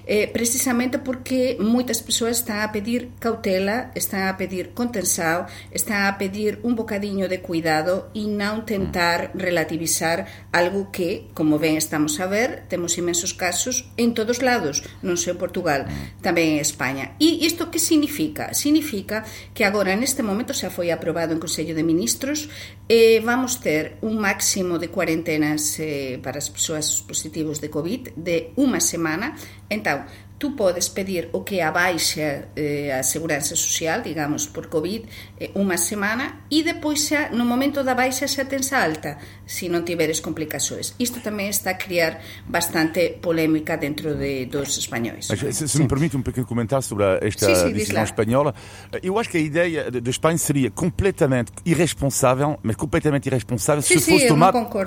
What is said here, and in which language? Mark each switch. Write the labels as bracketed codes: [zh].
[gl] precisamente porque moitas persoas están a pedir cautela, están a pedir contenção, están a pedir un bocadiño de cuidado e non tentar relativizar algo que, como ben estamos a ver, temos imensos casos en todos lados, non só en Portugal, tamén en España. E isto que significa? Significa que agora, neste momento, xa foi aprobado en Consello de Ministros, vamos ter un máximo de cuarentenas para as persoas positivas de COVID de unha semana. Então, tú podes pedir o que abaixa a Seguranza Social, digamos, por COVID, unha semana, e depois xa, no momento da baixa, xa tens a alta, se non tiveres complicações. Isto tamén está a criar bastante polémica dentro dos españoles. [pt] Se me permite um pequeno comentário sobre esta decisão espanhola, eu acho que a ideia de Espanha seria completamente irresponsável, mas completamente irresponsável, se fosse tomada...